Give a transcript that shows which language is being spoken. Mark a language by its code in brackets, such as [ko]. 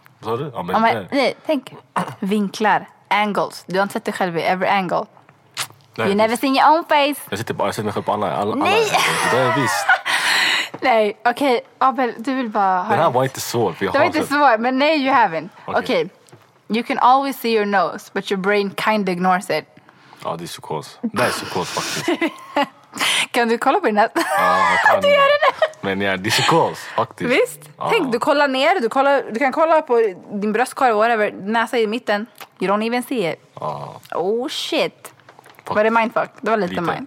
[sv] Ja, men, nej, tänk. Vinklar, angles. Du har inte sett dig själv i every angle. [en] Nej, you never seen your own face. [sv] Jag ser mig själv på alla. Nej. Det är visst. Nej, okej. Okay. Abel, du vill bara ha det här var inte svårt. Det var inte svårt, men nej, you haven't. Okej. Okay. [en] You can always see your nose, but your brain kind of ignores it. [sv] Ja, det är så coolt. Det är så coolt faktiskt. Kan du kolla på din nät? Ja, du gör det. Men ja, det är så coolt faktiskt. Visst. Ah. Tänk, du kollar ner, du kan kolla på din bröstkorg och whatever, näsa i mitten. [en] You don't even see it. Ah. [sv] Oh shit. Var det mindfuck? Det var lite mind.